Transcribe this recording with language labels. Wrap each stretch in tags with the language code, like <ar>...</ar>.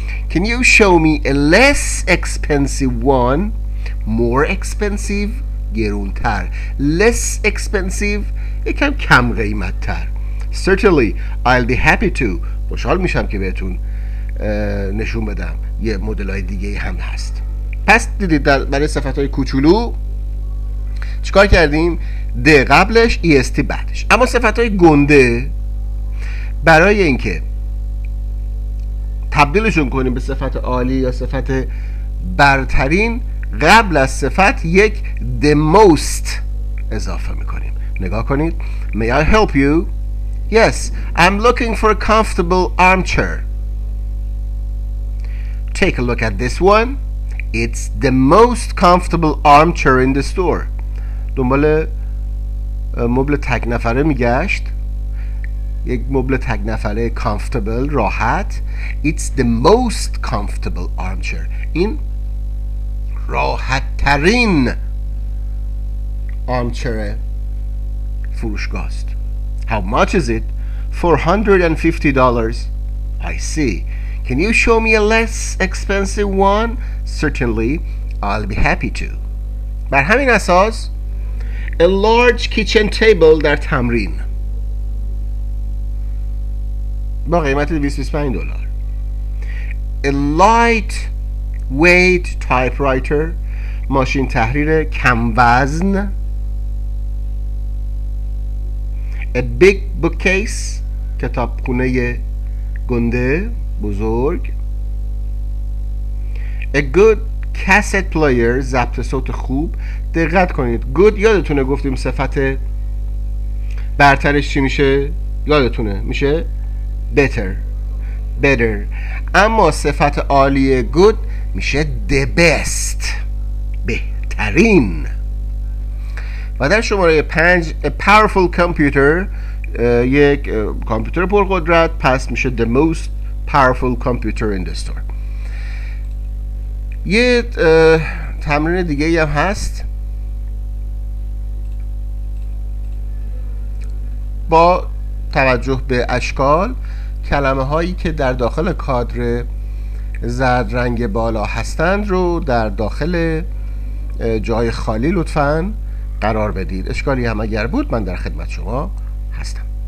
<en>Can you show me a less expensive one? More expensive؟</en> <fa>گرونتر.</fa> <en>Less expensive؟</en> <fa>یکم کم قیمتتر.</fa> <en>Certainly. I'll be happy to.</en> <fa>خوشحال میشم که بهتون نشون بدم. یه مدل های دیگه هم هست. پس دیدید در برای صفت های کوچولو چیکار کردیم؟ د قبلش، EST بعدش. اما صفت های گنده برای اینکه تبدیلشون کنیم به صفت عالی یا صفت برترین، قبل از صفت یک the most اضافه میکنیم. نگاه کنید.</fa> <en>May I help you? Yes, I'm looking for a comfortable armchair. Take a look at this one. It's the most comfortable armchair in the store.</en> <fa>دنبال مبل تک نفره میگشت. یک مبل تک نفره کامفتبل، راحت.</fa> <en>It's the most comfortable armchair.</en> <fa>این راحت ترین armchair فروشگاه است.</fa> <en>How much is it? $450. I see. Can you show me a less expensive one? Certainly, I'll be happy to.</en> <fa>بر همین اساس</fa> <en>a large kitchen table</en> <fa>در تمرین با قیمت $225.</fa> <en>A light weight typewriter،</en> <fa>ماشین تحریر کم وزن.</fa> <en>A big bookcase،</en> <fa>کتابخونه گنده بزرگ.</fa> <en>A good cassette player،</en> <fa>ضبط صوت خوب. دقت کنید، good یادتونه گفتیم صفت برترش چی میشه؟ یادتونه میشه better. اما صفت عالی good میشه the best. بهترین. و در شماره 5</fa> <en>A powerful computer،</en> <fa>یک کامپیوتر پرقدرت، پس میشه</fa> <en>The most powerful computer in the store.</en> <fa>یه تمرین دیگه ای هم هست با توجه به اشکال کلمه هایی که در داخل کادر زرد رنگ بالا هستند رو در داخل جای خالی لطفاً قرار بدید. اشکالی هم اگر بود من در خدمت شما هستم.</fa>